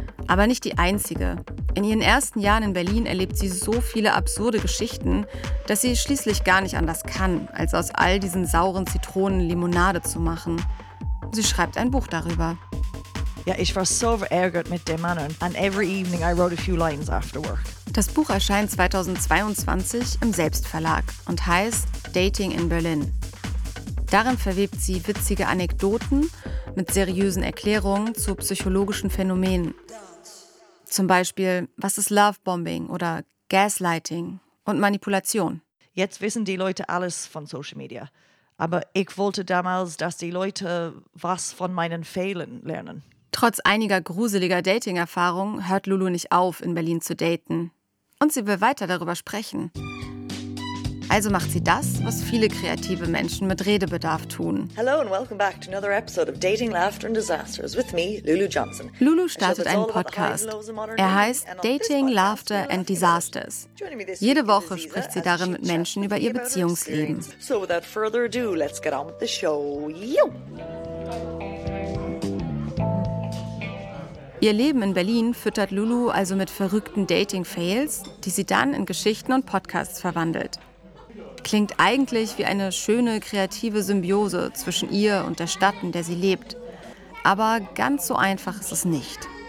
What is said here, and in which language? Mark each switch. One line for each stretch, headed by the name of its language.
German: Aber nicht die einzige. In ihren ersten Jahren in Berlin erlebt sie so viele absurde Geschichten, dass sie schließlich gar nicht anders kann, als aus all diesen sauren Zitronen Limonade zu machen. Sie schreibt ein Buch darüber. Ja, ich war so verärgert mit dem Mann.
English: And every evening I wrote a few lines after work.
German: Das Buch erscheint 2022 im Selbstverlag und heißt Dating in Berlin. Darin verwebt sie witzige Anekdoten mit seriösen Erklärungen zu psychologischen Phänomenen. Zum Beispiel, was ist Lovebombing oder Gaslighting und Manipulation? Jetzt wissen die Leute alles von Social Media. Aber ich wollte damals, dass die Leute was von meinen Fehlern lernen. Trotz einiger gruseliger Dating-Erfahrungen hört Lulu nicht auf, in Berlin zu daten. Und sie will weiter darüber sprechen. Also macht sie das, was viele kreative Menschen mit Redebedarf tun.
English: Hello and welcome back to another episode of Dating, Laughter and Disasters with me, Lulu Johnson.
German: Lulu startet einen Podcast. Er heißt Dating, Laughter and Disasters. Jede Woche spricht sie darin mit Menschen über ihr Beziehungsleben.
English: So without further ado, let's get on with the show. Yo.
German: Ihr Leben in Berlin füttert Lulu also mit verrückten Dating-Fails, die sie dann in Geschichten und Podcasts verwandelt. Klingt eigentlich wie eine schöne, kreative Symbiose zwischen ihr und der Stadt, in der sie lebt. Aber ganz so einfach ist es nicht.